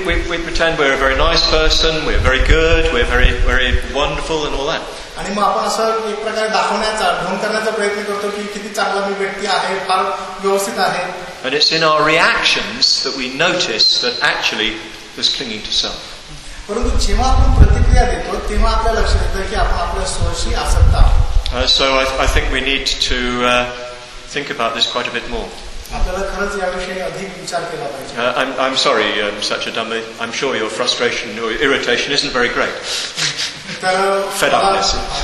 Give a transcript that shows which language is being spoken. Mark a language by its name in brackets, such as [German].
[English] we pretend we're a very nice person, we're very good, we're very, very wonderful and all that. [Marathi] आणि मग आपण असं एक प्रकारे दाखवण्याचा ढोंग करण्याचा प्रयत्न करतो की किती चांगला मी व्यक्ती आहे, फार व्यवस्थित आहे. [English] But it's in our reactions that we notice that actually there's clinging to self. [Marathi] परंतु जेव्हा आपण प्रतिक्रिया देतो तेव्हा आपल्या लक्षात येतं की आपण आपल्या स्वशी आसक्त आहोत. [English] So I think we need to think about this quite a bit more. I'm sorry, such a dummy. I'm sure your frustration or irritation isn't very great. Fed up, yes.